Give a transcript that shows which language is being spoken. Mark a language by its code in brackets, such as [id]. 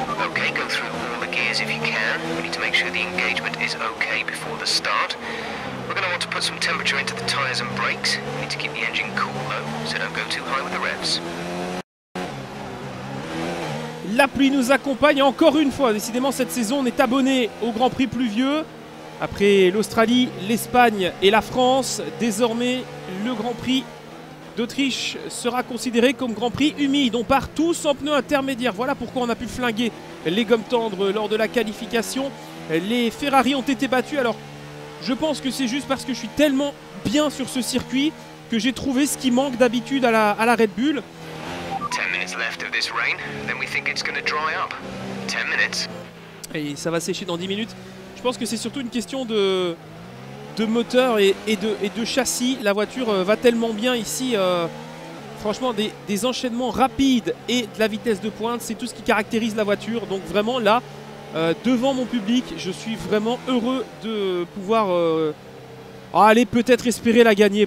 [en] Okay, go through all the gears if you can. We need to make sure the engagement is okay before the start. We're going to want to put some temperature into the tires and brakes. We need to keep the engine cool though, so don't go too high with the revs. [fr] La pluie nous accompagne encore une fois. Décidément, cette saison, on est abonné au Grand Prix pluvieux. Après l'Australie, l'Espagne et la France, désormais, le Grand Prix d'Autriche sera considéré comme Grand Prix humide. On part tous en pneus intermédiaires. Voilà pourquoi on a pu flinguer les gommes tendres lors de la qualification. Les Ferrari ont été battus. Alors, je pense que c'est juste parce que je suis tellement bien sur ce circuit que j'ai trouvé ce qui manque d'habitude à la Red Bull. [en] 10 minutes left of this rain, then we think it's going to dry up. 10 minutes. [fr] Et ça va sécher dans 10 minutes. Je pense que c'est surtout une question de moteur et de châssis. La voiture va tellement bien ici. Franchement, des enchaînements rapides et de la vitesse de pointe, c'est tout ce qui caractérise la voiture. Donc vraiment là, devant mon public, je suis vraiment heureux de pouvoir aller peut-être espérer la gagner.